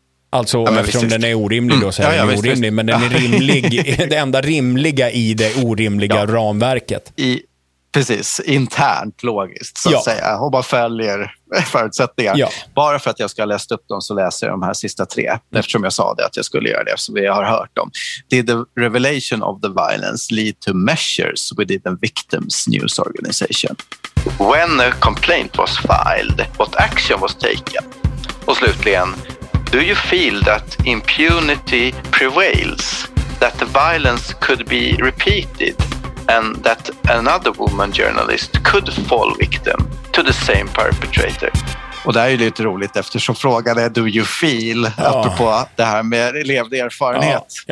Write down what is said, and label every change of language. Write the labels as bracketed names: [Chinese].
[Swedish] Alltså, eftersom den är orimlig då, så är den orimlig. Visst. Men den är rimlig, det enda rimliga i det orimliga ramverket. Precis, internt logiskt så att säga. Och bara följer förutsättningar. Ja. Bara för att jag ska läsa upp dem så läser jag de här sista 3. Mm. Eftersom jag sa det att jag skulle göra det, så vi har hört dem. [English] Did the revelation of the violence lead to measures within the victim's news organization? When a complaint was filed, what action was taken? [Swedish] Och slutligen, [English] do you feel that impunity prevails? That the violence could be repeated? And that another woman journalist could fall victim to the same perpetrator. [Swedish] Och det är ju lite roligt eftersom frågan är [English] do you feel, [Swedish] apropå det här med levd erfarenhet.